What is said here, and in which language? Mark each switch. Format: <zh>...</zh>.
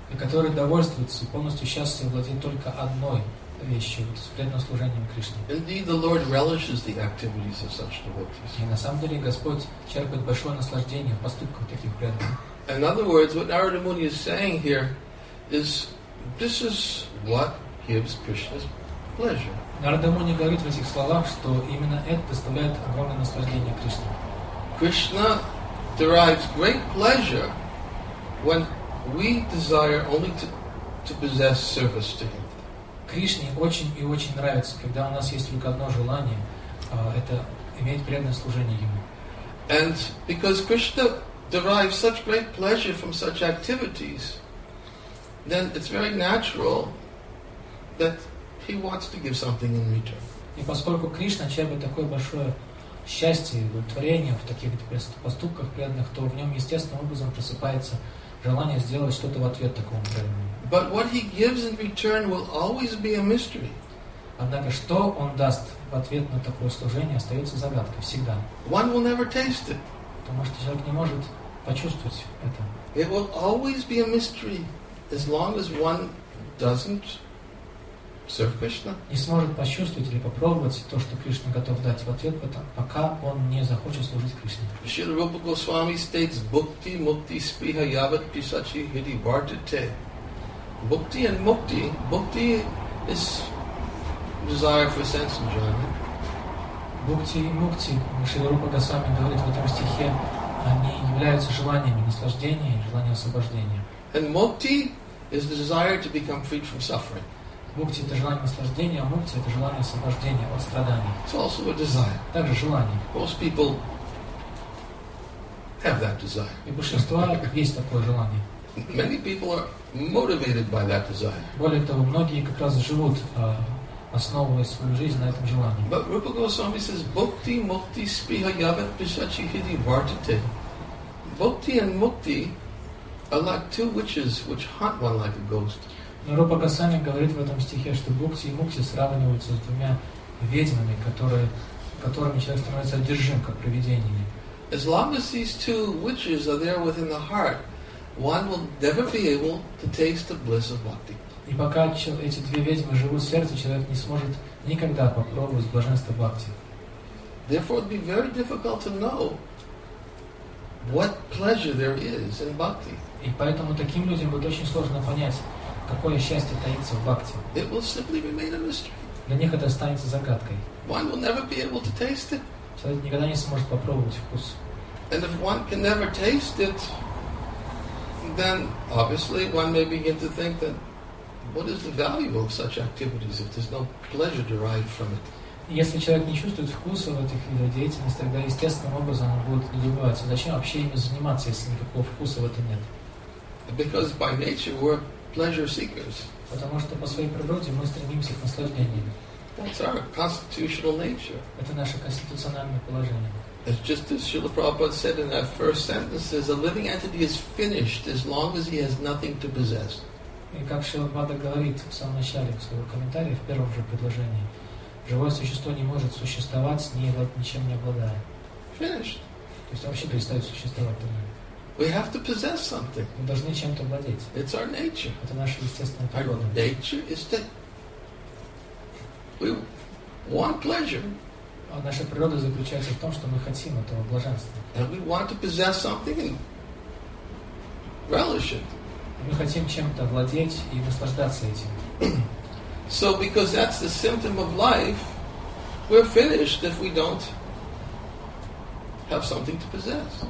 <ru>И которые довольствуются и полностью счастливы владеть только одной вещью, то есть преданным служением Кришне.</ru> <en>Indeed, the Lord relishes the activities of such devotees.</en> <ru>И на самом деле Господь черпает большое наслаждение в поступках таких преданных.</ru> <en>In other words, what Narada Muni is saying here is this is what gives Krishna's pleasure.</en> <ru>Narada Muni говорит в этих словах, что именно это доставляет огромное наслаждение Кришне.</ru> <en>Krishna derives great pleasure when we desire only to possess service to him.</en> <ru>Кришне очень и очень нравится, когда у нас есть только одно желание, это иметь преданное служение ему.</ru> <en>And because Krishna derive such great pleasure from such activities, then it's very natural that he wants to give something in return.</en> <ru>И поскольку Кришна черпает такое большое счастье, удовлетворение в таких поступках преданных, то в нем естественным образом просыпается желание сделать что-то в ответ такому преданному.</ru> <en>But what he gives in return will always be a mystery.</en> <ru>Однако что он даст в ответ на такое служение остается загадкой всегда.</ru> <en>One will never taste it.</en> <ru>Потому что человек не может почувствовать это.</ru> <en>It will always be a mystery as long as one doesn't serve Krishna.</en> <ru>Не сможет почувствовать или попробовать то, что Кришна готов дать в ответ, пока он не захочет служить Кришне.</ru> <sa>Шрила Рупа Госвами</sa> <en>states</en> <sa>Bhukti Mukti Spriha Yavat Pisachi Hidi Vartate.</sa> <en>Bhukti and Mukti. Bhukti is desire for sense enjoyment.</en> <ru>Бхукти и мукти, Шрила Рупа Госвами говорит в этом стихе, они являются желаниями наслаждения и желания освобождения.</ru> <en>And mukti is the desire to become freed from suffering.</en> <ru>Мукти — это желание наслаждения, а мукти — это желание освобождения от страданий.</ru> <en>It's also a desire.</en> <ru>Также желание.</ru> <en>Most people have that desire.</en> <ru>И большинство есть такое желание.</ru> <en>Many people are motivated by that desire.</en> <ru>Более того, многие как раз живут основывая свою жизнь на этом желании.</ru> <en>But Rupa Goswami says,</en> <sa>Bhukti, Mukti, Spriha, Yavat, Pisachi, Hidi, Vartate.</sa> <en>Bhukti and Mukti are like two witches which hunt one like a ghost.</en> <ru>Но Рупа Госвами говорит в этом стихе, что Бхукти и Мукти сравниваются с двумя ведьмами, которыми человек становится одержим, как привидениями.</ru> <en>As long as these two witches are there within the heart, one will never be able to taste the bliss of bhakti.</en> <ru>И пока эти две ведьмы живут в сердце, человек не сможет никогда попробовать блаженство бхакти.</ru> <en>Therefore, it'd be very difficult to know what pleasure there is in bhakti.</en> <ru>И поэтому таким людям будет очень сложно понять, какое счастье таится в бхакти.</ru> <en>It will simply remain a mystery.</en> <ru>Для них это останется загадкой.</ru> <en>One will never be able to taste it.</en> <ru>Человек никогда не сможет попробовать вкус.</ru> <en>And if one can never taste it, then obviously one may begin to think that what is the value of such activities if there's no pleasure derived from it?</en> <ru>Если человек не чувствует вкуса в этих видах деятельности, тогда естественным образом он будет удивляться, зачем вообще ими заниматься, если никакого вкуса в этом нет.</ru> <en>Because by nature we're pleasure seekers.</en> <ru>Потому что по своей природе мы стремимся к наслаждениям.</ru> <en>That's our constitutional nature.</en> <ru>Это наше конституциональное положение.</ru> <en>It's just as Srila Prabhupada said in that first sentence, says, a living entity is finished as long as he has nothing to possess.</en> <ru>И как Шрила Прабхупада говорит в самом начале своего комментария, в первом же предложении, живое существо не может существовать, ничем не обладая.</ru> <en>Finished.</en> <ru>То есть вообще перестает существовать.</ru> <en>We have to possess something.</en> <ru>Мы должны чем-то владеть.</ru> <en>It's our nature.</en> <ru>Это наша естественная природа.</ru> <en>Our nature is that we want pleasure.</en> <ru>А наша природа заключается в том, что мы хотим этого блаженства.</ru> <en>And we want to possess something and relish it.</en> <ru>Мы хотим чем-то владеть и наслаждаться этим.</ru> <en>So because that's the symptom of life, we're finished if we don't have something to possess.</en>